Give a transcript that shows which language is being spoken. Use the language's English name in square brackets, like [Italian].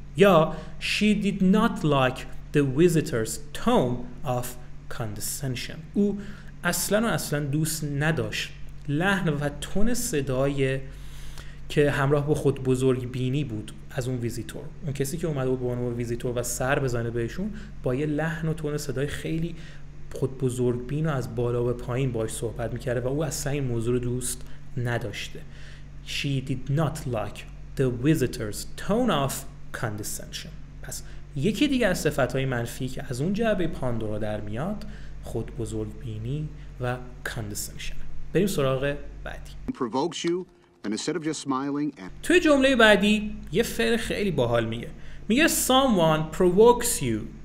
[Persian] یا [English] she did not like the visitor's tone of condescension، [Persian] او اصلا و اصلا دوست نداشت لحن و تون صدای که همراه با خود بزرگ بینی بود از اون ویزیتور، اون کسی که اومده بود به عنوان ویزیتور و سر بزنه بهشون، با یه لحن و تون صدای خیلی خود بزرگ بین و از بالا به پایین باش صحبت میکرده و او اصلا این موضوع رو دوست نداشته. [English] She did not like the visitor's tone of condescension. [Persian] پس یکی دیگه از صفتهای منفی که از اون جعبه پاندورا در میاد، خود بزرگ بینی و condescension. بریم سراغ بعدی. [English] provokes you and instead of just smiling and... [Persian] توی جمله بعدی یه فعل خیلی باحال میگه، میگه [English] someone provokes you.